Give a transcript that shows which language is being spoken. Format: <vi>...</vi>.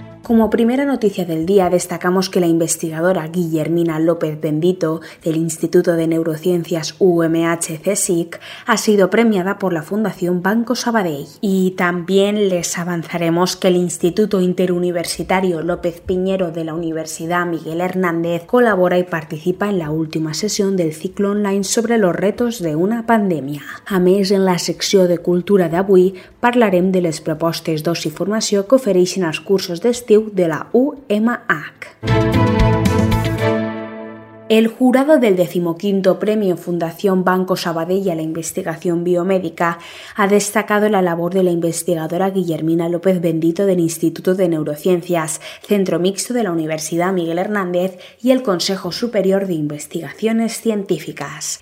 <es>Como primera noticia del día, destacamos que la investigadora Guillermina López Bendito, del Instituto de Neurociencias UMH-CSIC, ha sido premiada por la Fundación Banco Sabadell. Y también les avanzaremos que el Instituto Interuniversitario López Piñero de la Universidad Miguel Hernández colabora y participa en la última sesión del ciclo online sobre los retos de una pandemia.</es> <ca>A més,</ca> <es>en la sección de</es> <ca>Cultura d'Avui, parlarem de les propostes d'oci i formació que ofereixen els cursos d'estiu de la UMH.</ca> <es>El jurado del 15º Premio Fundación Banco Sabadell a la Investigación Biomédica ha destacado la labor de la investigadora Guillermina López Bendito del Instituto de Neurociencias, Centro Mixto de la Universidad Miguel Hernández y el Consejo Superior de Investigaciones Científicas.</es>